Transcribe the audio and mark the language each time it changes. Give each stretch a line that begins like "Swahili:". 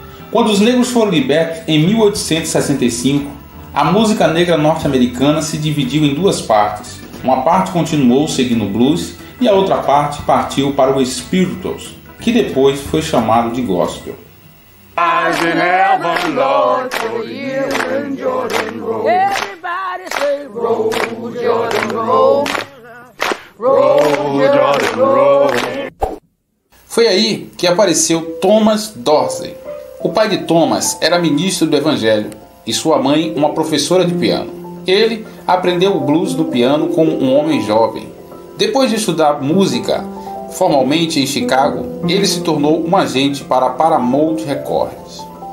Portuguese: Quando os negros foram libertos em 1865, a música negra norte-americana se dividiu em duas partes. Uma parte continuou seguindo o blues e a outra parte partiu para o spirituals, que depois foi chamado de gospel.
English: Eyes in heaven, Lord, for you and Jordan Road. Everybody say, Road, Jordan Road. Road, Jordan Road.
Portuguese: Foi aí que apareceu Thomas Dorsey. O pai de Thomas era ministro do Evangelho e sua mãe uma professora de piano. Ele aprendeu o blues do piano como um homem jovem. Depois de estudar música formalmente em Chicago, ele se tornou um agente para Paramount Records.